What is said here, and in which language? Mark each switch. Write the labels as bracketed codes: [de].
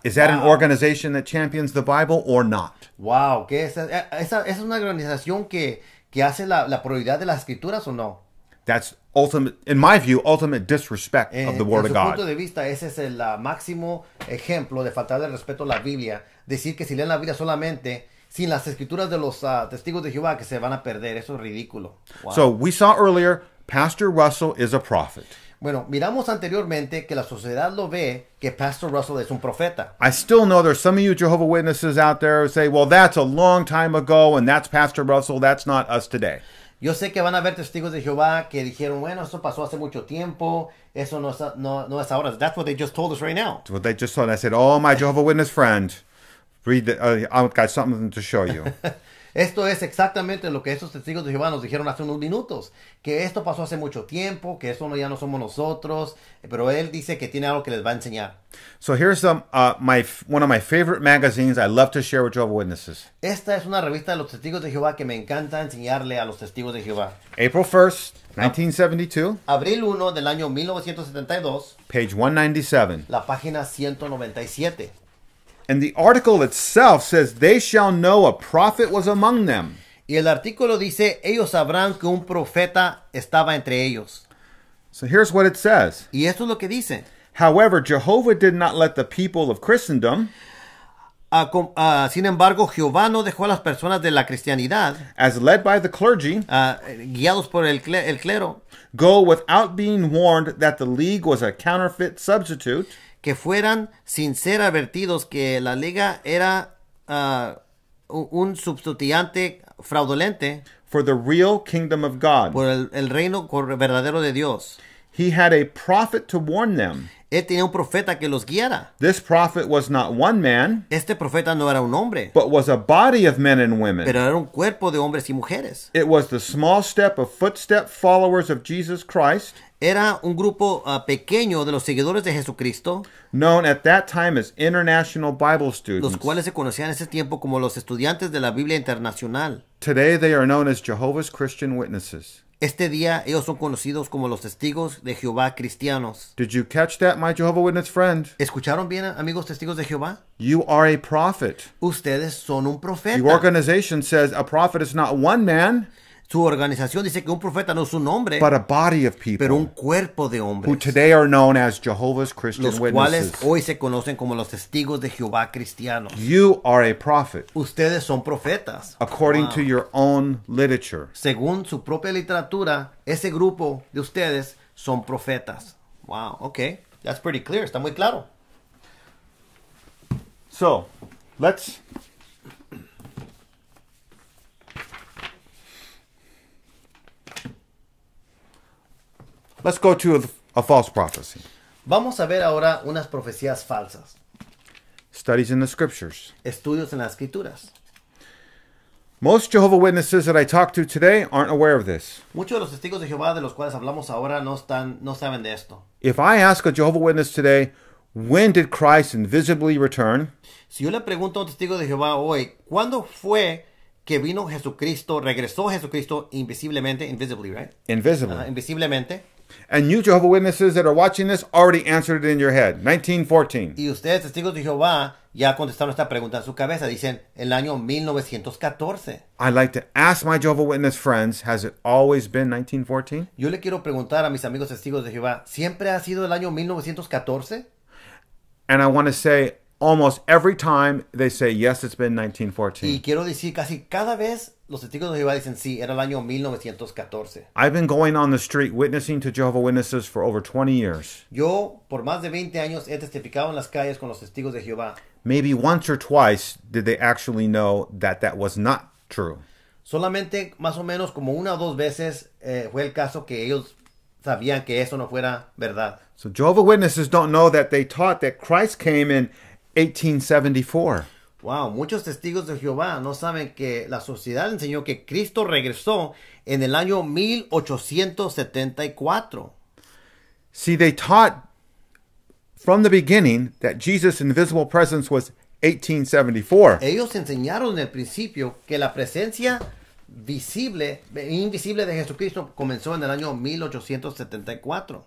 [en] Is that an organization that champions the Bible or not? [es] Wow, ¿qué es? ¿Esa es una organización que hace la prioridad de las escrituras o no? [en] That's ultimate, in my view, ultimate disrespect of the Word of God. [es] En su punto de vista, ese es el máximo ejemplo de faltar el respeto a la Biblia. Decir que si leen la Biblia solamente, sin las escrituras de los testigos de Jehová, que se van a perder. Eso es ridículo. [en] Wow. So, we saw earlier, Pastor Russell is a prophet. [es] Bueno, miramos anteriormente que la sociedad lo ve que Pastor Russell es un profeta. [en] I still know there's some of you Jehovah Witnesses out there who say, well, that's a long time ago, and that's Pastor Russell, that's not us today. [es] Yo sé que van a haber testigos de Jehová que dijeron, bueno, eso pasó hace mucho tiempo, eso no es ahora. [en] That's what they just told us right now. That's what they just told us. I said, oh, my Jehovah Witness friend. Read the, I've got something to show you. [es] Esto es exactamente lo que esos testigos de Jehová nos dijeron hace unos minutos. Que esto pasó hace mucho tiempo, que eso ya no somos nosotros. Pero él dice que tiene algo que les va a enseñar. [en] So here's one of my favorite magazines I love to share with Jehovah Witnesses. [es] Esta es una revista de los testigos de Jehová que me encanta enseñarle a los testigos de Jehová. [en] April 1st, 1972. [es] Abril 1 del año 1972. [en] Page 197. [es] La página 197. [en] And the article itself says, they shall know a prophet was among them. [es] Y el artículo dice, ellos sabrán que un profeta estaba entre ellos. [en] So here's what it says. [es] Y esto es lo que dice. [en] However, Jehovah did not let the people of Christendom. [es] Sin embargo, Jehová no dejó a las personas de la cristianidad. [en] As led by the clergy. [es] Guiados por el clero. [en] Go without being warned that the league was a counterfeit substitute. [es] Que fueran sin ser advertidos que la liga era un sustituyente fraudulente. [en] For the real kingdom of God. [es] Por el reino verdadero de Dios. [en] He had a prophet to warn them. [es] Él tenía un profeta que los guiara. [en] This prophet was not one man. [es] Este profeta no era un hombre. [en] But was a body of men and women. [es] Pero era un cuerpo de hombres y mujeres. [en] It was the small step of footstep followers of Jesus Christ. [es] Era un grupo pequeño de los seguidores de Jesucristo. [en] Known at that time as international Bible students. [es] Los cuales se conocían en ese tiempo como los estudiantes de la Biblia internacional. [en] Today they are known as Jehovah's Christian Witnesses. [es] Este día ellos son conocidos como los testigos de Jehová cristianos. [en] Did you catch that, my Jehovah Witness friend? [es] ¿Escucharon bien, amigos testigos de Jehová? [en] You are a prophet. [es] Ustedes son un profeta. [en] Your organization says a prophet is not one man. [es] Su organización dice que un profeta no es un hombre, [en] but a body of people, [es] pero un cuerpo de hombres, [en] who today are known as Jehovah's Christian Witnesses. [es] Los cuales hoy se conocen como los testigos de Jehová cristianos. [en] You are a prophet. [es] Ustedes son profetas. [en] According to your own literature. [es] Según su propia literatura, ese grupo de ustedes son profetas. [en] Wow, okay. That's pretty clear. [es] Está muy claro. [en] So, let's... let's go to a false prophecy. [es] Vamos a ver ahora unas profecías falsas. [en] Studies in the scriptures. [es] Estudios en las escrituras. [en] Most Jehovah Witnesses that I talk to today aren't aware of this. [es] Muchos de los testigos de Jehová de los cuales hablamos ahora no saben de esto. [en] If I ask a Jehovah Witness today, when did Christ invisibly return? [es] Si yo le pregunto a un testigo de Jehová hoy, ¿cuándo fue que vino Jesucristo, regresó Jesucristo invisiblemente? [en] Invisibly, right? Invisibly. [es] Invisiblemente. [en] And you Jehovah Witnesses that are watching this already answered it in your head. 1914. [es] Y ustedes, testigos de Jehová, ya contestaron esta pregunta en su cabeza. Dicen, el año 1914. [en] I'd like to ask my Jehovah Witness friends, has it always been 1914? [es] Yo le quiero preguntar a mis amigos testigos de Jehová, ¿siempre ha sido el año 1914? [en] And I want to say, almost every time they say, yes, it's been 1914. [es] Y quiero decir, casi cada vez Los testigos de Jehová dicen, sí, era el año 1914. [en] I've been going on the street witnessing to Jehovah's Witnesses for over 20 years. [es] Yo, por más de 20 años, he testificado en las calles con los testigos de Jehová. [en] Maybe once or twice did they actually know that that was not true. [es] Solamente, más o menos, como una o dos veces fue el caso que ellos sabían que eso no fuera verdad. [en] So Jehovah's Witnesses don't know that they taught that Christ came in 1874. [es] Wow, muchos testigos de Jehová no saben que la sociedad enseñó que Cristo regresó en el año 1874. [en] See, they taught from the beginning that Jesus' invisible presence was 1874. [es] Ellos enseñaron en el principio que la presencia visible, invisible de Jesucristo comenzó en el año 1874.